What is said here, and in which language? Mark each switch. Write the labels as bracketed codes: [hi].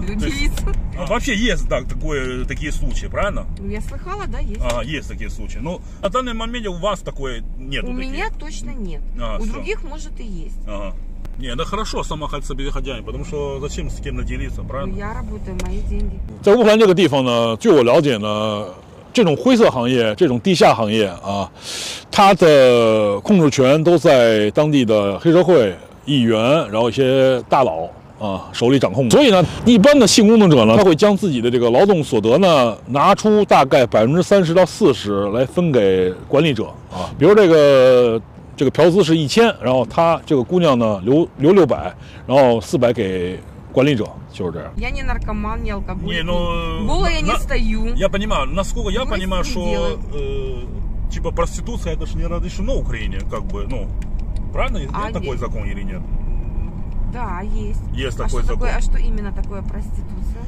[ru] Не люблю делиться. А, вообще есть так, такое, такие случаи, правильно? Ну, я слыхала, да, есть. А, есть такие случаи. Ну, на данный момент у вас такое нет? У меня точно нет. А, у других, может, и есть. Ага. Не, да хорошо, сама хоть себе хозяин, потому что зачем с кем-то делиться, правильно? Ну, я работаю, мои деньги. [zh] 在乌克兰这个地方呢，据我了解呢，这种灰色行业，这种地下行业啊，它的控制权都在当地的黑社会议员，然后一些大佬啊手里掌控。所以呢，一般的性工作者呢，他会将自己的这个劳动所得呢，拿出大概30%到40%来分给管理者啊。比如这个嫖资是1000，然后他这个姑娘呢留600，然后400给管理者，就是这样。 [ru] Я не наркоман, не алкоголик. Не, но голый я не стою. Я понимаю, насколько я понимаю, что типа проституция это же не разрешено в Украине, как бы, ну. Правильно? Есть такой закон или нет? Да, есть. Есть такой закон. А что именно такое проституция?